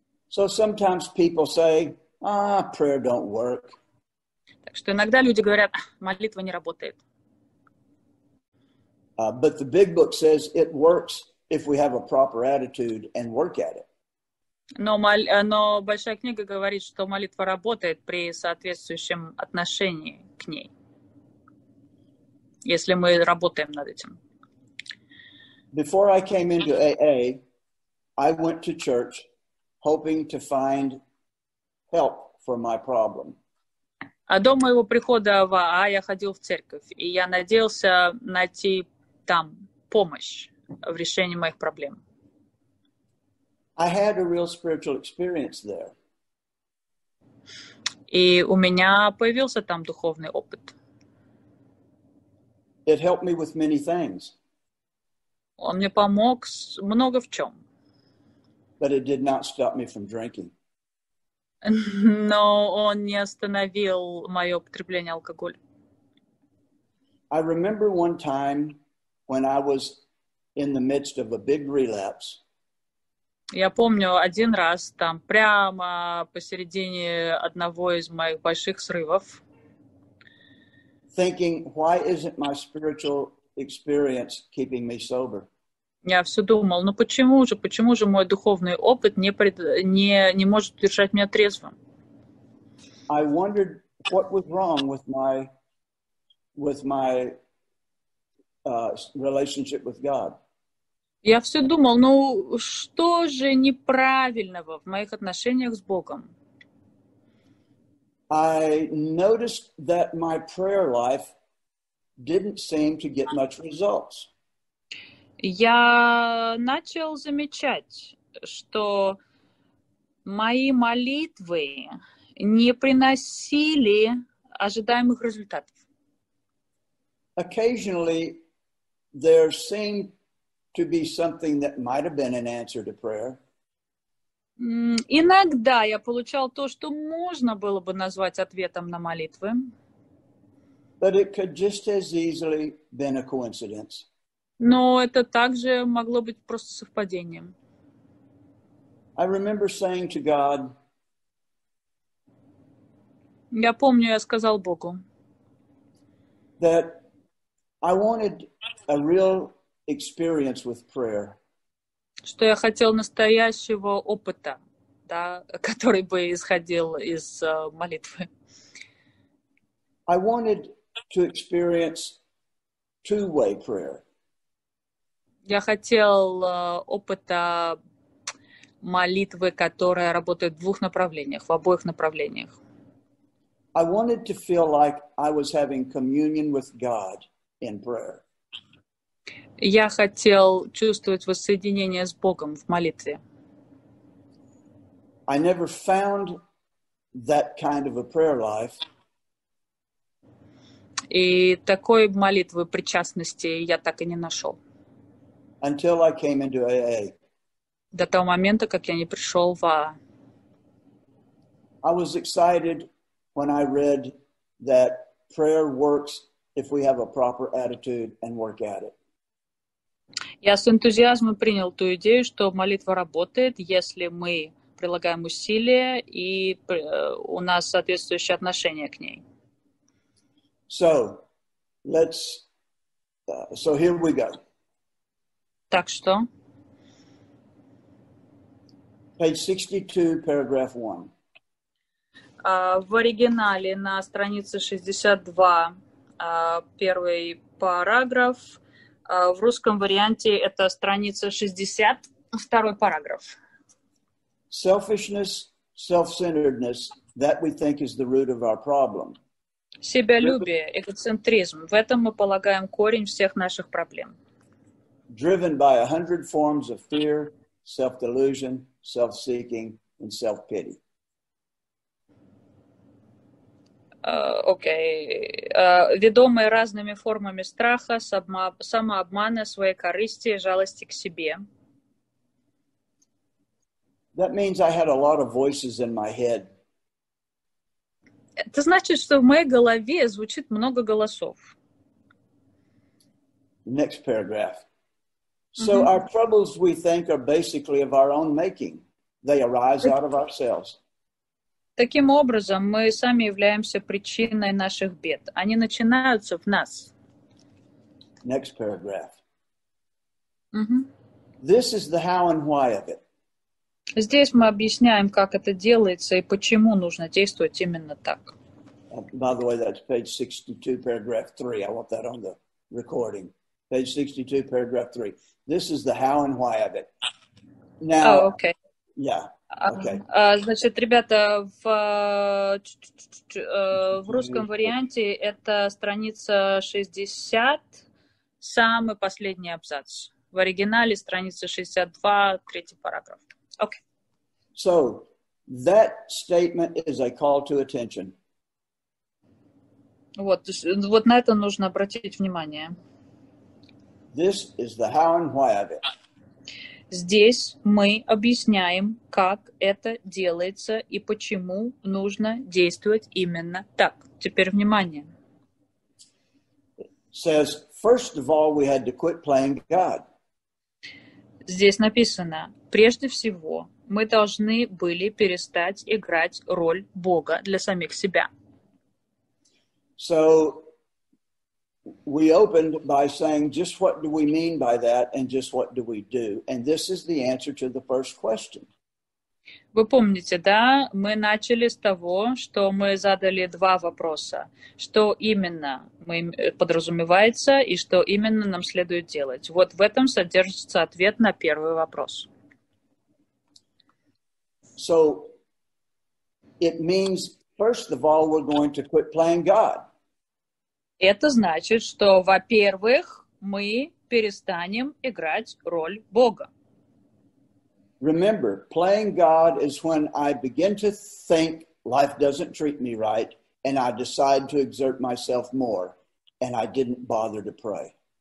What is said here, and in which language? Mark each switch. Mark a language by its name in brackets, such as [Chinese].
[English] So sometimes people say, ah, prayer don't work. [Russian] Так что иногда люди говорят, молитва не работает. [English] But the big book says it works if we have a proper attitude and work at it. [Russian] Но большая книга говорит, что молитва работает при соответствующем отношении к ней. Если мы работаем над этим. [English] Before I came into AA, I went to church hoping to find help for my problem. [Russian] А до моего прихода в АА я ходил в церковь, и я надеялся найти там помощь в решении моих проблем. [English] I had a real spiritual experience there. [Russian] И у меня появился там духовный опыт. [English] It helped me with many things. [Russian] Он мне помог много в чем. [English] But it did not stop me from drinking. [Russian] Но он не остановил мое употребление алкоголя. [English] I remember one time when I was in the midst of a big relapse. [Russian] Я помню один раз там прямо посередине одного из моих больших срывов. [English] Thinking, why isn't my spiritual experience keeping me sober? [Russian] Я все думал, ну почему же мой духовный опыт не может держать меня трезвым? [English] I wondered what was wrong with my relationship with God. [Russian] Я все думал, ну что же неправильного в моих отношениях с Богом? [English] I noticed that my prayer life didn't seem to get much results. [Russian] Я начал замечать, что мои молитвы не приносили ожидаемых результатов. [English] Occasionally there seemed to be something that might have been an answer to prayer. [Russian] Иногда я получал то, что можно было бы назвать ответом на молитвы. [English] But it could just as easily been a coincidence. [Russian] Но это также могло быть просто совпадением. [English] I remember saying to God, [Russian] я помню, я сказал Богу, [English] that I wanted a real experience with prayer. [Russian] Что я хотел настоящего опыта, да, который бы исходил из молитвы. [English] I wanted to experience two-way prayer. [Russian] Я хотел опыта молитвы, которая работает в двух направлениях, в обоих направлениях. [English] I wanted to feel like I was having communion with God in prayer. [Russian] Я хотел чувствовать воссоединение с Богом в молитве. [English] I never found that kind of a prayer life. [Russian] И такой молитвы причастности я так и не нашел. [English] Until I came into AA. [Russian] До того момента, как я не пришел в АА. [English] I was excited when I read that prayer works if we have a proper attitude and work at it. [Russian] Я с энтузиазмом принял ту идею, что молитва работает, если мы прилагаем усилия и у нас соответствующее отношение к ней. [English] So, let's, so here we go. [Russian] Так что? [English] Page 62, paragraph 1. [Russian] В оригинале на странице 62, первый параграф. В русском варианте это страница 60, второй параграф. [English] Selfishness, self-centeredness, that we think is the root of our problem. [Russian] Себялюбие, эгоцентризм. В этом мы полагаем корень всех наших проблем. [English] Driven by 100 forms of fear, self-delusion, self-seeking, and self-pity. [Russian] Окей. Ведомые разными формами страха, самообмана, своей корысти, жалости к себе. [English] That means I had a lot of voices in my head. [Russian] Это значит, что в моей голове звучит много голосов. [English] Next paragraph. So mm-hmm. our troubles, we think, are basically of our own making. They arise out of ourselves. [Russian] Таким образом, мы сами являемся причиной наших бед. Они начинаются в нас. [English] Next paragraph. Mm-hmm. This is the how and why of it. [Russian] Здесь мы объясняем, как это делается и почему нужно действовать именно так. [English] By the way, that's page 62, paragraph 3. I want that on the recording. Page 62, paragraph 3. This is the how and why of it. Now, oh, okay. Yeah. Okay. [Russian] Значит, ребята, в русском варианте это страница 60, самый последний абзац. В оригинале страница 62, третий параграф. [English] Okay. So, that statement is a call to attention. [Russian] Вот на это нужно обратить внимание. [English] This is the how and why of it. [Russian] Здесь мы объясняем, как это делается и почему нужно действовать именно так. Теперь внимание. [English] It says, first of all, we had to quit playing God. [Russian] Здесь написано, прежде всего, мы должны были перестать играть роль Бога для самих себя. [English] So, we opened by saying, just what do we mean by that, and just what do we do? And this is the answer to the first question. [Russian] Вы помните, да? Мы начали с того, что мы задали два вопроса. Что именно подразумевается, и что именно нам следует делать? Вот в этом содержится ответ на первый вопрос. [English] So, it means, first of all, we're going to quit playing God. [Russian] Это значит, что, во-первых, мы перестанем играть роль Бога. [English] Remember, playing God is when I begin to think life doesn't treat me right, and I decide to exert myself more, and I didn't bother to pray.